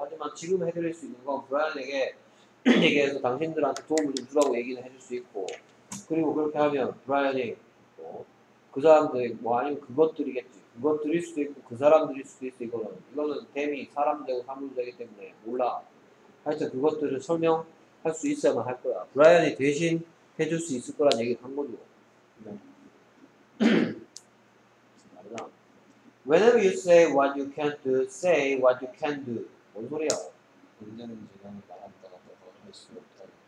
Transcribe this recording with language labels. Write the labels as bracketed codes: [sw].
[ko] 하지만 지금 해드릴 수 있는 건 브라이언에게 얘기해서 당신들한테 도움을 좀 주라고 얘기를 해줄 수 있고, 그리고 그렇게 하면 브라이언이 뭐 그 사람들이 뭐 아니면 그것들이겠지. 그것들일 수도 있고 그 사람들일 수도 있어. 이거는 데미 사람 되고 사물 되기 때문에 몰라. 하여튼 그것들을 설명할 수 있어야만 할 거야. 브라이언이 대신 해줄 수 있을 거란 얘기를 한 거죠. 맞아. [en] Whenever you say what you can't do, say what you can do. [ko] 뭔 소리야? 언제는 제가 말한다가 더 할 수 없다.